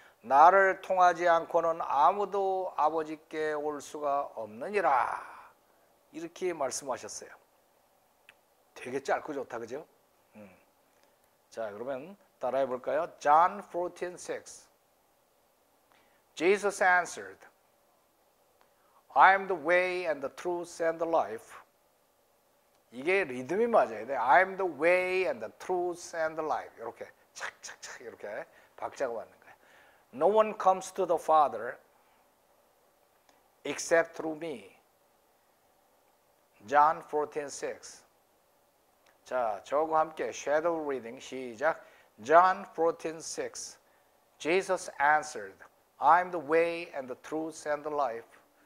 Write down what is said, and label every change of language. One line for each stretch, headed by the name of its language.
Korean: 나를 통하지 않고는 아무도 아버지께 올 수가 없느니라. 이렇게 말씀하셨어요. 되게 짧고 좋다, 그죠? 자, 그러면 따라해 볼까요?
English: John 14:6. Jesus answered, I am the way and the truth and the life.
Korean: 이게 리듬이 맞아야 돼.
English: I am the way and the truth and the life.
Korean: 이렇게 착착착 이렇게 박자가 맞는 거야.
English: No one comes to the Father except through me.
Korean: John 14:6. 자, 저하고 함께 shadow reading 시작.
English: John 14:6. Jesus answered, I'm the way and the truth and the life.